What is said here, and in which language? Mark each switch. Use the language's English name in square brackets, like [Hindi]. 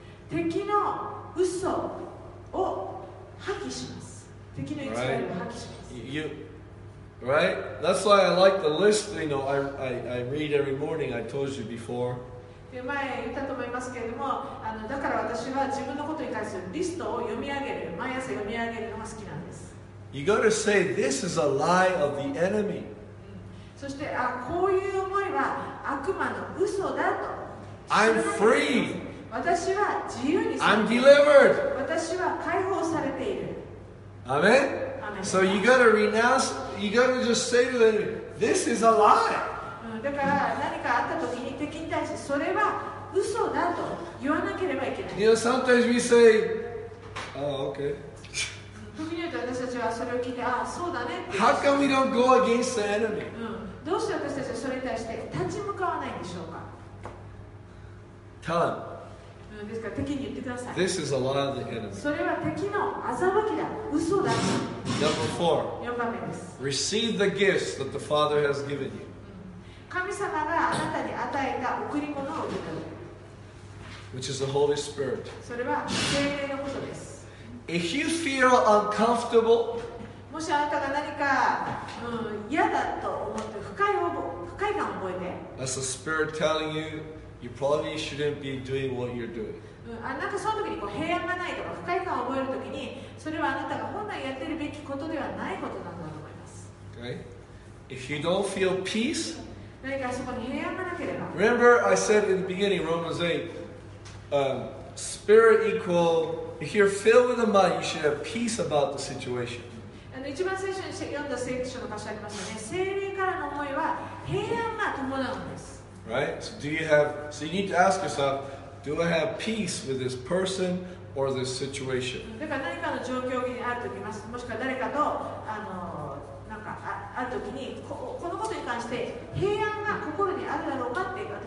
[Japanese] 敵の嘘を破棄します。敵の偽りを破棄します。 [English] You, right? That's why I like the list. You know, I read every morning. I told you before. [Japanese] 前言ったと思いますけれども、だから私は自分のことに関するリストを読み上げる。毎朝読み上げるのが好きなんです。 [English] You gotta say this is a lie of the enemy. [Japanese] そして、あ、こういう思いは悪魔の嘘だと。 [English] I'm free. [Japanese] 私は自由にされている。 [English] I'm delivered. [Japanese] 私は解放されている。 [English] Amen? So you gotta renounce, you gotta just say to them, this is a lie. [Japanese] だから何かあった時に敵に対してそれは嘘だと言わなければいけない。 [English] You know, sometimes we say, oh, okay. [Japanese] 時によって私たちはそれを聞いて、ああ、そうだねって。 [English] How come we don't go against the enemy? [Japanese] どうして私たちはそれに対して立ち向かわないんでしょうか? [English] Tell them. [Japanese] ですから敵に言ってください。それは敵の欺きだ、嘘だ。 [English] Number four. [Japanese] 4番目です。 [English] Receive the gifts that the Father has given you. [Japanese] 神様があなたに与えた贈り物を受け取る。 [English] Which is the Holy Spirit. [Japanese] それは聖霊のことです。 [English] If you feel uncomfortable, [Japanese] もしあなたが何か、嫌だと思って不快感を覚えて、 [English] That's the Spirit telling you. You probably shouldn't be doing what you're doing. [Japanese] なんかその時にこう平安がないとか不快感を覚える時に、それはあなたが本来やってるべきことではないことなんだと思います。 [English] Okay. If you don't feel peace, [Japanese] 何かそこに平安がなければ。 [English] Remember, I said in the beginning, Romans 8, spirit equal, if you're filled with the mind, you should have peace about the situation. [Japanese] 一番最初に読んだ聖書の箇所ありますよね。聖霊からの思いは平安が伴うんです。 [English] Right? So do you have? So you need to ask yourself, do I have peace with this person or this situation? [Japanese] だから何かの状況にあるときます。もしくは誰かとなんかあるときに このことに関して平安が心にあるだろうかって